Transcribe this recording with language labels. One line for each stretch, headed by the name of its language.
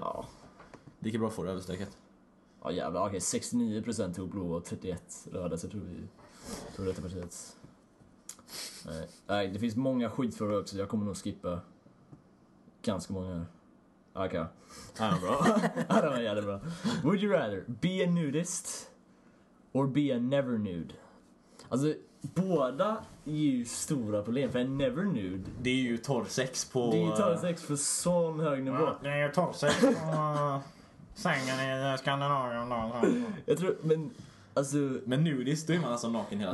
Swedish: Ja. Lika bra får du överstökat. Ja, jävlar. Okej, 69% tog blå och 31% röda, så tror detta partiet. Nej, det finns många skitfrågor också. Jag kommer nog skippa ganska många. Okej. Ja, bra. Ja, det var jättebra.
English: Would you rather be a nudist or be a never nude?
Swedish: Alltså båda är ju stora problem för en never nude. Det är ju torrsex på. Det är ju torrsex för sån hög nivå. Det är ju torrsex på sängen i Skandinavien då. Jag tror men alltså, men nudist, då är man alltså naken hela